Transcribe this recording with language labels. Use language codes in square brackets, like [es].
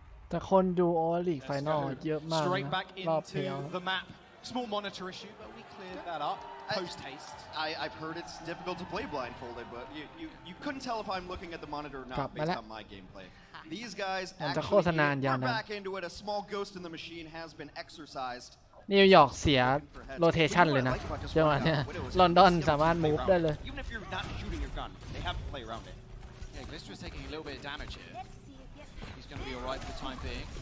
[th] แต่คนดู All League Final เยอะมากนะ [en] Straight back into the map. Small monitor issue, but we cleared that up. Post haste. I've heard it's difficult to play blindfolded, but you couldn't tell if I'm looking at the monitor or not based on my gameplay. These guys actually are back into it. A small ghost in the machine has been exercised. [th] นิวยอร์กเสียโรเทชันเลยนะจังหวะเนี้ยลอนดอนสามารถมูฟได้เลย [en] Even if you're not shooting your gun, they have to play around it. Yeah, Glistra's taking a little bit of damage here. He's gonna be alright for the time being.